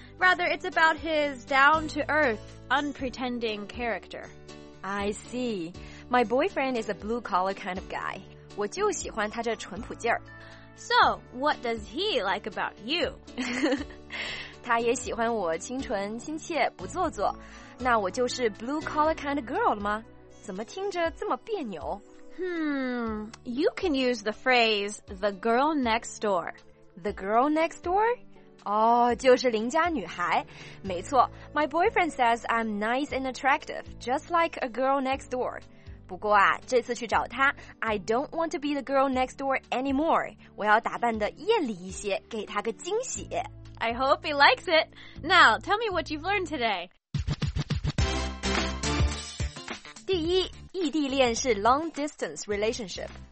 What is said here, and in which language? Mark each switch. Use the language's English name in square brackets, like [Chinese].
[English] Rather, it's about his down-to-earth, unpretending character. I see. My boyfriend is a blue-collar kind of guy. [Chinese] 我就喜欢他这淳朴劲儿。 [English] So, what does he like about you? [Chinese] 他也喜欢我清纯亲切不做作，那我就是 [English] blue collar kind of girl [Chinese] 了吗？怎么听着这么别扭？ [English] You can use the phrase the girl next door. The girl next door? [Chinese] 哦，就是邻家女孩。没错， [English] my boyfriend says I'm nice and attractive, just like a girl next door. [Chinese] 不过啊，这次去找他 [English] I don't want to be the girl next door anymore. [Chinese] 我要打扮得艳丽一些，给他个惊喜。 [English] I hope he likes it. Now, tell me what you've learned today. [Chinese] 第一，异地恋是 [English] long distance relationship.